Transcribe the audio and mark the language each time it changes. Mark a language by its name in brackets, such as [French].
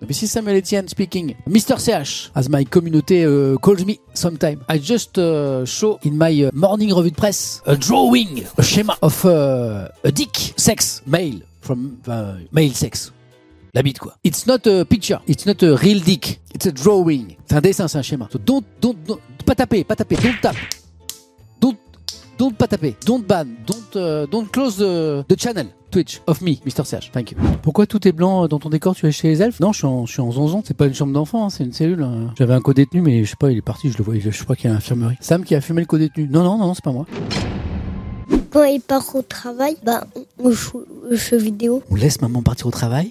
[English] This is Samuel Etienne speaking. Mr. CH, as my community calls me sometime. I just show in my morning [French] revue de presse [English] a drawing, a schéma of a dick, sex, male, from male sex. [French] La bite, quoi. [English] It's not a picture, it's not a real dick, it's a drawing. [French] C'est un dessin, c'est un schéma. [English] So don't, [French] pas taper, [English] don't tap. Don't [French] pas taper, [English] don't ban, don't close the channel, Twitch, of me, Mr. CH, thank you. [French] Pourquoi tout est blanc dans ton décor, tu es chez les elfes? Non, je suis en zonzon, c'est pas une chambre d'enfant, hein, c'est une cellule. Hein. J'avais un co-détenu, mais je sais pas, il est parti, je le vois, je crois qu'il y a l'infirmerie. Sam qui a fumé le co-détenu. Non, c'est pas moi. Quand il part au travail, on joue aux jeux vidéo. On laisse maman partir au travail.